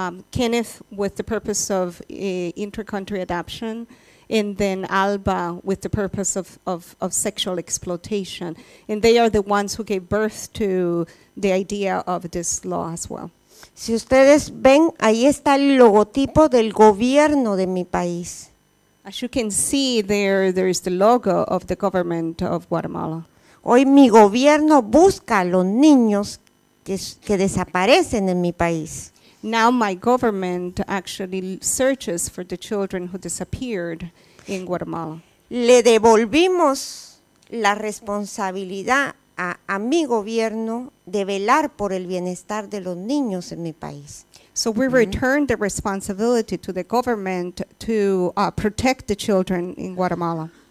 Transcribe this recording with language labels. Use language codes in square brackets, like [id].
[en] Kenneth with the purpose of intercountry adoption, and then Alba with the purpose of sexual exploitation. And they are the ones who gave birth to the idea of this law as well. [es] Si ustedes ven, ahí está el logotipo del gobierno de mi país. [en] As you can see there is the logo of the government of Guatemala. [es] Hoy mi gobierno busca a los niños que desaparecen en mi país. [en] Now my government actually searches for the children who disappeared in Guatemala. [es] Le devolvimos la responsabilidad a mi gobierno de velar por el bienestar de los niños en mi país. [en] So we returned the responsibility to the government to protect the children in Guatemala.